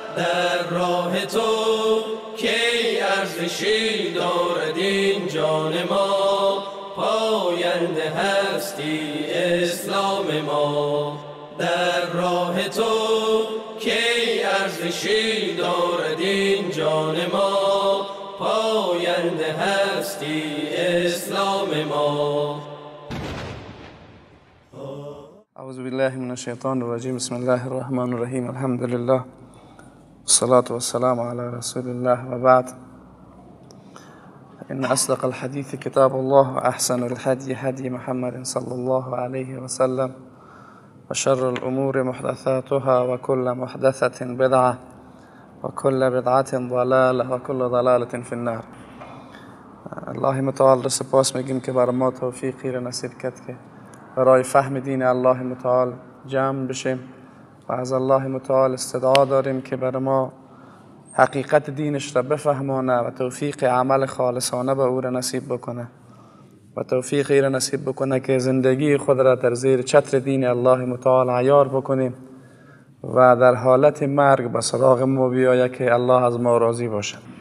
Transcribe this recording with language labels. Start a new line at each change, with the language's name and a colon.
Persian: در راه تو کی ارزشی دارد این جان ما، پاینده هستی اسلام ما. در راه تو کی ارزشی دارد این جان ما، پاینده هستی اسلام ما.
Arabic: اعوذ بالله من الشیطان الرجیم، بسم الله الرحمن الرحیم، الحمد لله والصلاة والسلام على رسول الله و بعد، ان اصدق الحديث كتاب الله واحسن الهدي هدي محمد صلى الله عليه وسلم وشر الامور محدثاتها وكل محدثه بدعه وكل بدعه ضلاله وكل ضلاله في النار.
Persian: الله متعال را سپاس میگیم که بر ما توفیقی را نصیب کرد که برای فهم دین الله متعال جمع بشیم و از الله متعال استدعا داریم که بر ما حقیقت دینش را بفهمانه و توفیق عمل خالصانه به او را نصیب بکنه و توفیق ای را نصیب بکنه که زندگی خود را در زیر چتر دین الله متعال عیار بکنیم و در حالت مرگ به سراغ ما بیاید که الله از ما راضی باشه.